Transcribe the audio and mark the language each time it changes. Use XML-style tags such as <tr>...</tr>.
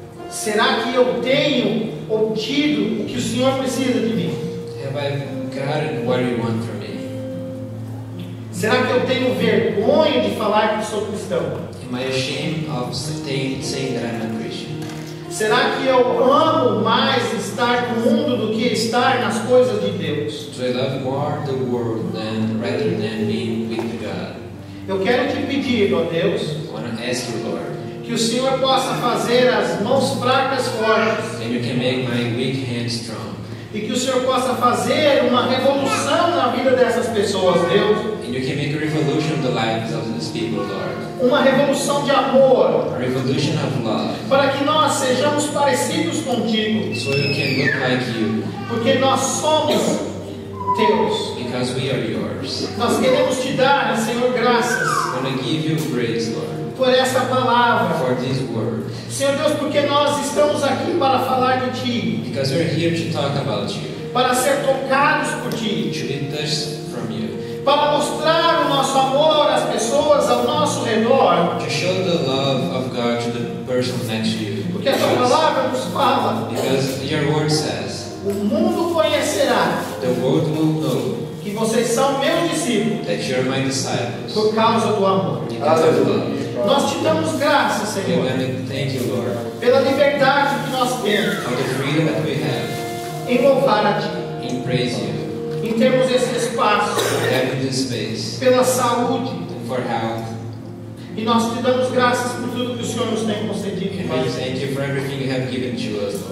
<pt>Será que eu tenho obtido o que o Senhor precisa de mim?</pt> <en>Have I gotten what you want from me?</en> <pt>Será que eu tenho vergonha de falar que sou cristão?</pt> <en>Am I ashamed of saying that I'm a Christian?</en> <pt>Será que eu amo mais estar no mundo do que estar nas coisas de Deus?</pt> <en>Do I love more the world than rather than being with God?</en> <pt>Eu quero te pedir, ó Deus,</pt> <en>I want to ask you, Lord,</en> <pt>que o Senhor possa fazer as mãos fracas fortes.</pt> <en>And you can make my weak hands strong.</en> <pt>E que o Senhor possa fazer uma revolução na vida dessas pessoas, Deus.</pt> <en>And you can make a revolution in the lives of these people, Lord.</en> <pt>Uma revolução de amor.</pt> <en>A revolution of love.</en> <pt>Para que nós sejamos parecidos contigo.</pt> <en>So you can look like you.</en> <pt>Porque nós somos teus.</pt> <en>Because we are yours.</en> <pt>Nós queremos te dar, Senhor, graças.</pt> <en>I want to give you praise, Lord.</en> <pt>Por essa palavra.</pt> <en>For this word.</en> <pt>Senhor Deus, porque nós estamos aqui para falar de ti.</pt> <en>Because we're here to talk about you.</en> <pt>Para ser tocados por ti.</pt> <en>To be touched from you.</en> <pt>Para mostrar o nosso amor às pessoas ao nosso redor.</pt> <en>To show the love of God to the person next to you.</en> <pt>Porque essa palavra nos fala.</pt> <en>Because your word says.</en> <pt>O mundo conhecerá.</pt> <en>The world will know.</en> <pt>Que vocês são meus discípulos.</pt> <en>That you are my disciples.</en> <pt>Por causa do amor. Aleluia. Nós te damos graças, Senhor.</pt> <en>Thank you, Lord.</en> <pt>Pela liberdade que nós temos.</pt> <en>For the freedom that we have.</en> <pt>Em louvar a ti.</pt> <en>In praise you.</en> <pt>Em termos esse espaço,</pt> <en>space,</en> <pt>pela saúde,</pt> <en>for health,</en> <pt>e nós te damos graças por tudo que o Senhor nos tem concedido. Pai.</pt> <en>Thank you for everything you have given to us.</en>